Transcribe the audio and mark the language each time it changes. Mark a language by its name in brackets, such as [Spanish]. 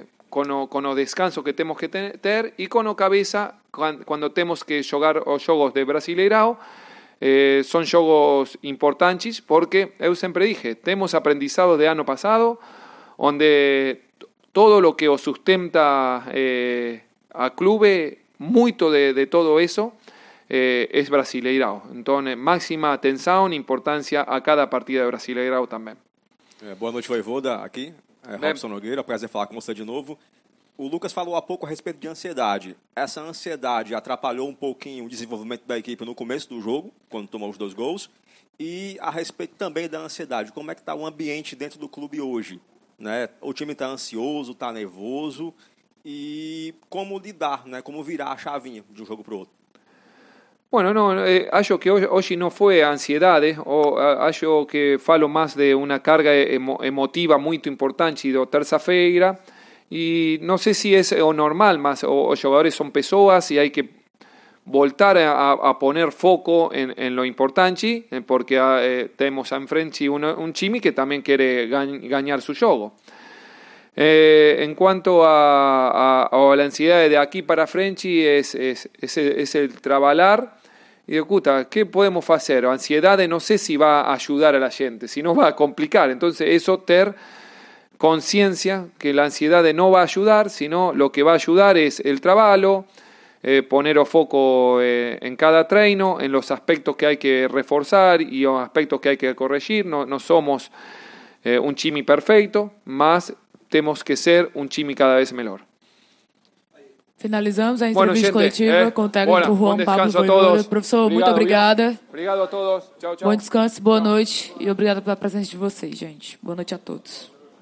[Spanish] Con o descanso que tenemos que tener, y con o cabeza cuando tenemos que jugar los juegos de Brasileirão. Son juegos importantes porque, yo siempre dije, tenemos aprendizado de año pasado, donde todo lo que os sustenta a clube, mucho de todo eso, es Brasileirão. [Portuguese] Então, máxima atenção e importância a cada partida de Brasileirão também. Boa noite, Voivoda, aqui. Robson Nogueira, prazer falar com você de novo. O Lucas falou há pouco a respeito de ansiedade. Essa ansiedade atrapalhou um pouquinho o desenvolvimento da equipe no começo do jogo, quando tomou os dois gols. E a respeito também da ansiedade, como é que está o ambiente dentro do clube hoje? Né? O time está ansioso, está nervoso. E como lidar, né? Como virar a chavinha de um jogo para o outro? [Spanish] Bueno, no, acho que hoy no fue ansiedad, acho que falo más de una carga emotiva muy importante de terça-feira, y no sé si es o normal, más los jugadores son personas y hay que voltar a poner foco en lo importante, porque tenemos enfrente un time que también quiere ganar su juego. En cuanto a la ansiedad de aquí para frente, es el trabalhar. Y escucha, ¿qué podemos hacer? Ansiedad no sé si va a ayudar a la gente, si no va a complicar. Entonces, eso, tener conciencia que la ansiedad no va a ayudar, sino lo que va a ayudar es el trabajo, poner foco en cada treino, en los aspectos que hay que reforzar y los aspectos que hay que corregir. No somos un chimi perfecto, más tenemos que ser un chimi cada vez mejor. [Portuguese] Finalizamos a entrevista coletiva com o técnico Juan Pablo Voivoda. Professor, obrigado, muito obrigada. Obrigado a todos. Tchau, tchau. Bom descanso, boa noite. E obrigada pela presença de vocês, gente. Boa noite a todos.